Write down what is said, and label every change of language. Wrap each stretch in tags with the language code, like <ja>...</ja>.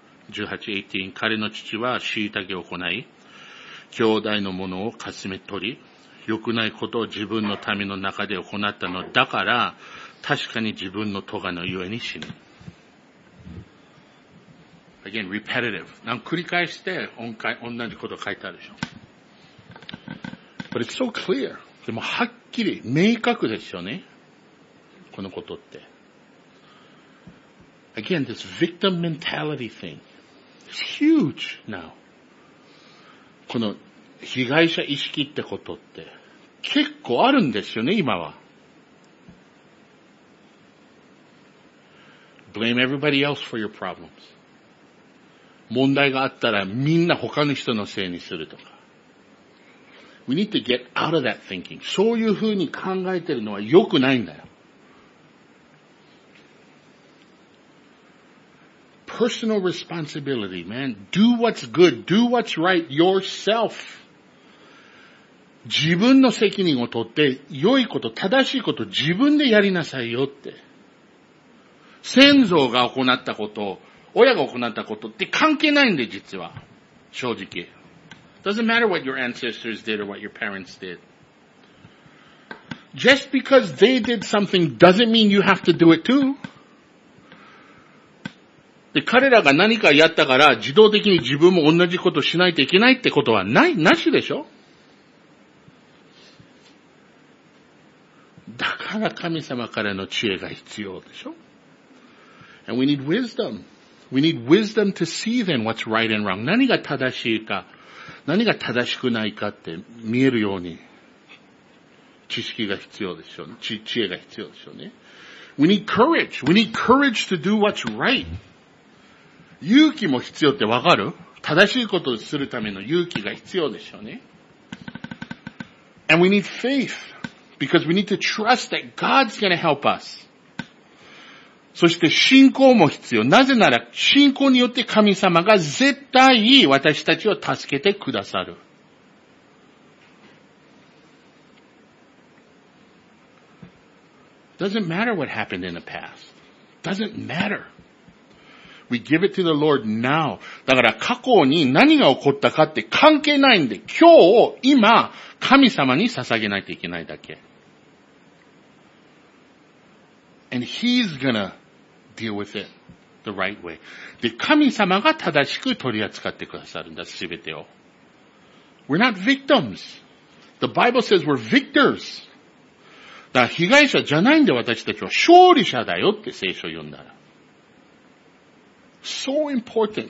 <ja>18:18彼の父は虐げを行い、兄弟のものをかすめ取り、良くないことを自分の民の中で行ったのだから、確かに自分の咎のゆえに死ぬ。</ja> <en>Again, repetitive.</en> <ja>繰り返して同じことを書いてあるでしょ。</ja> <en>But it's so clear.</en> <ja>でもはっきり明確ですよね。このことって。</ja> <en>Again, this victim mentality thing is huge now.</en> <ja>この被害者意識ってことって結構あるんですよね、今は。</ja> <en>Blame everybody else for your problems.</en> <ja>問題があったらみんな他の人のせいにするとか。</ja> <en>We need to get out of that thinking.</en> <ja>そういうふうに考えてるのは良くないんだよ。</ja> <en>Personal responsibility, man. Do what's good. Do what's right yourself.</en> <ja>自分の責任を取って良いこと、正しいこと自分でやりなさいよって。先祖が行ったこと、親が行ったことって関係ないんで実は。正直。</ja> <en>Doesn't matter what your ancestors did or what your parents did. Just because they did something doesn't mean you have to do it too.</en> <ja>で、彼らが何かやったから自動的に自分も同じことしないといけないってことはない、なしでしょ？だから神様からの知恵が必要でしょ？</ja> <en>And we need wisdom. We need wisdom to see then what's right and wrong.</en> <ja>何が正しいか。何が正しくないかって見えるように知識が必要でしょうね。知恵が必要でしょうね。</ja> <en>We need courage. We need courage to do what's right.</en> <ja>勇気も必要ってわかる？正しいことをするための勇気が必要でしょうね。</ja> <en>And we need faith. Because we need to trust that God's going to help us.</en> <ja>そして信仰も必要。なぜなら信仰によって神様が絶対私たちを助けてくださる。</ja> <en>Doesn't matter what happened in the past. Doesn't matter. We give it to the Lord now.</en> <ja>だから過去に何が起こったかって関係ないんで、今日を今神様に捧げないといけないだけ。</ja> <en>And He's gonna deal with it the right way.</en> <ja>で、神様が正しく取り扱ってくださるんだ、すべてを。</ja> <en>We're not victims. The Bible says we're victors.</en> <ja>だから被害者じゃないんで私たちは勝利者だよって聖書を読んだら。</ja> <en>So important.</en>